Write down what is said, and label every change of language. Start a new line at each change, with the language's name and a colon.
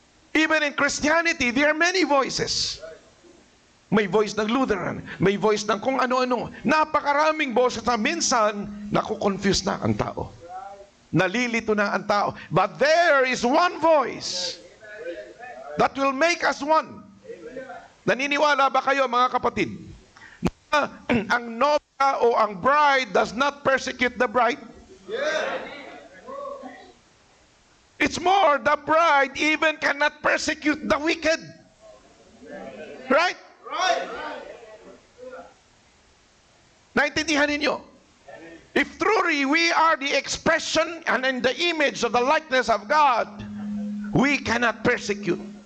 English: Even in Christianity, there are many voices.
Filipino: May voice ng Lutheran, may voice ng kung ano-ano. Napakaraming boses na minsan naku-confuse na ang tao. Nalilito na ang tao.
English: But there is one voice that will make us one.
Filipino: Naniniwala ba kayo, mga kapatid, na ang novia o ang bride
English: does not persecute the bride? It's more, the bride even cannot persecute the wicked. Right?
Filipino: Naintindihan ninyo?
English: If truly we are the expression and in the image of the likeness of God, we cannot persecute.